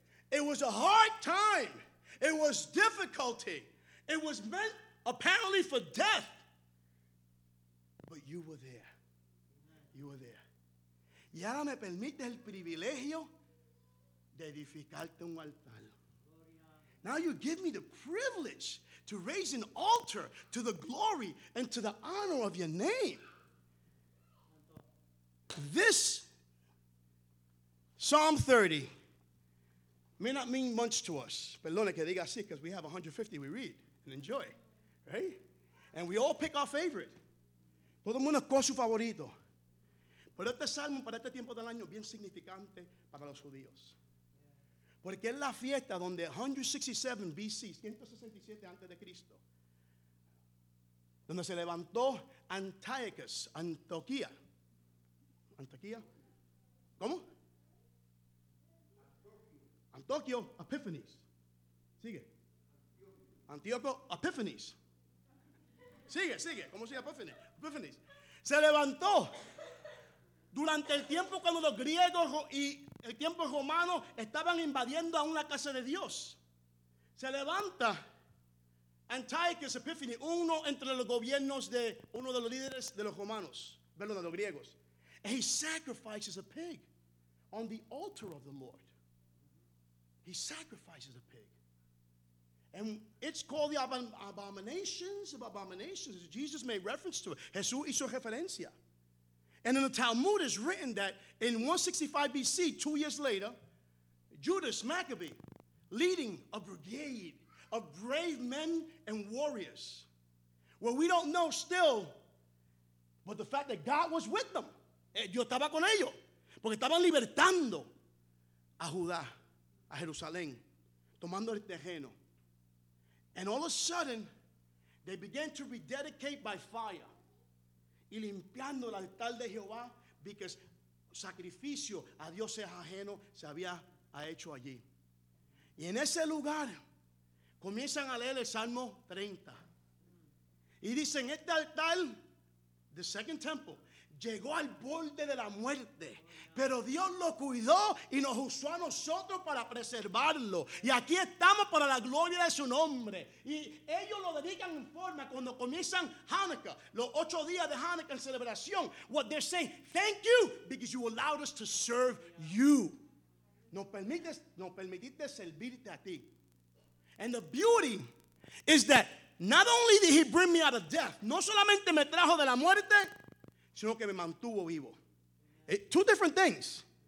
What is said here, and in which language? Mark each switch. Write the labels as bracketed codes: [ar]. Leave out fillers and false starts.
[en] It was a hard time. It was difficulty. It was meant apparently for death. But you were there. You were there. [es] Y ahora me permite el privilegio de edificarte un altar. [en] Now you give me the privilege to raise an altar to the glory and to the honor of your name. This Psalm 30 may not mean much to us. [es] Perdone que diga así, [en] because we have 150 we read and enjoy, right? And we all pick our favorite. [es] Todo el mundo escoge su favorito. Pero este salmo para este tiempo del año es bien significante para los judíos. Porque es la fiesta donde 167 BC, 167 antes de Cristo, donde se levantó Antioquía. ¿Cómo? Antioquio Epiphanes. Sigue. Antioquio Epiphanes. Sigue. ¿Cómo se llama Epiphanes? Epiphanes. Se levantó durante el tiempo cuando los griegos y el tiempo romano estaban invadiendo a una casa de Dios. Se levanta Antiochus Epiphany, uno entre los gobiernos de uno de los líderes de los romanos, perdón, de los griegos. [en] And he sacrifices a pig on the altar of the Lord. He sacrifices a pig. And it's called the abominations of abominations. Jesus made reference to it. [es] Jesús hizo referencia. [en] And in the Talmud, it's written that in 165 BC, 2 years later, Judas Maccabee, leading a brigade of brave men and warriors. Well, we don't know still, but the fact that God was with them. [es] Yo estaba con ellos, porque estaban libertando a Judá, a Jerusalén, tomando el terreno. [en] And all of a sudden, they began to rededicate by fire. [es] Y limpiando el altar de Jehová, [en] because [es] sacrificio a dioses ajenos se había hecho allí. Y en ese lugar, comienzan a leer el Salmo 30. Y dicen, este altar, [en] the second temple, [es] llegó al borde de la muerte, pero Dios lo cuidó y nos usó a nosotros para preservarlo. Y aquí estamos para la gloria de su nombre. Y ellos lo dedican en forma cuando comienzan Hanukkah, los 8 días de Hanukkah en celebración. [en] What they're saying, thank you because you allowed us to serve you. [es] Nos permitiste servirte a ti. [en] And the beauty is that not only did he bring me out of death, [es] no solamente me trajo de la muerte, sino que me mantuvo vivo. [en] Two different things.